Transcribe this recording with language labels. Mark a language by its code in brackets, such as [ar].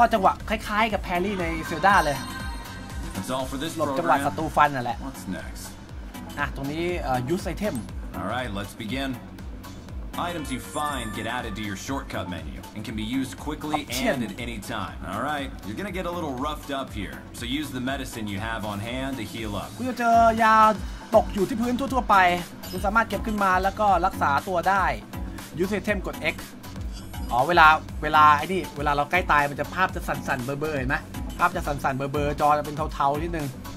[th] จังหวะคล้ายๆกับแพรี่ในเซลดาเลยหลบจังหวะศัตรูฟันนั่นแหละ [en] What's next? [th] อะตรงนี้ยูสไอเทม [en] Alright, let's begin. Items you find get added to your shortcut menu and can be used quickly and at any time. Alright, you're gonna get a little roughed up here, so use the medicine you have on hand to heal up. [th] คุณจะเจอยาตกอยู่ที่พื้นทั่วๆไปคุณสามารถเก็บขึ้นมาแล้วก็รักษาตัวได้ยูสไอเทมกด X อ๋อเวลาไอ้นี่เวลาเราใกล้ตายมันจะภาพจะสั่นๆเบอร์ๆเห็นไหมภาพจะสั่นๆเบอร์ๆจอจะเป็นเทาๆนิดนึง